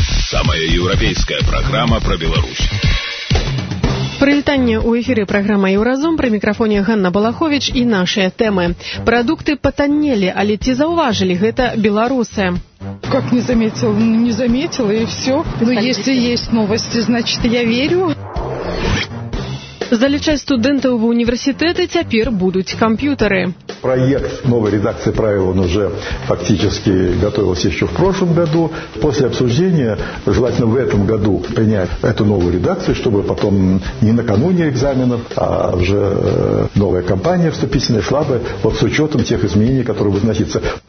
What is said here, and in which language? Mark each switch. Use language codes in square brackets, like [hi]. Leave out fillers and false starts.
[ru] Самая европейская программа про Беларусь. [be] Прывітанне, у эфіры праграма «Еўразум», пры мікрафоне Ганна Балахович і нашыя тэмы. Прадукты патаннелі, але ці заўважылі гэта беларусы? [ru] Как не заметил? Ну, не заметила, и все. Ну, если есть новости, значит, я верю. [be] Залічаць студэнтаў ва ўніверсітэты цяпер будуць камп'ютары. [ru] Проект новой редакции правил, он уже фактически готовился еще в прошлом году. После обсуждения, желательно в этом году принять эту новую редакцию, чтобы потом не накануне экзаменов, а уже новая кампания вступительная шла бы вот с учетом тех изменений, которые будут вноситься.